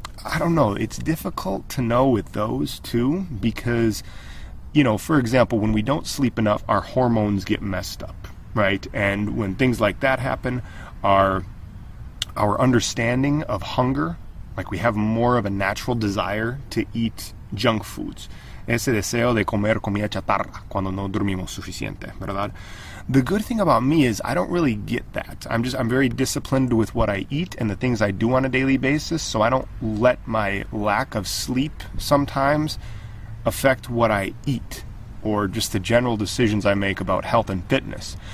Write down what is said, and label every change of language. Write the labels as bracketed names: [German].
[English] I don't know, it's difficult to know with those too, because, you know, for example, when we don't sleep enough, our hormones get messed up, right? And when things like that happen, our understanding of hunger, like we have more of a natural desire to eat junk foods. [Spanish] Ese deseo de comer comida chatarra cuando no dormimos suficiente, ¿verdad? [English] The good thing about me is I don't really get that. I'm very disciplined with what I eat and the things I do on a daily basis, so I don't let my lack of sleep sometimes affect what I eat or just the general decisions I make about health and fitness.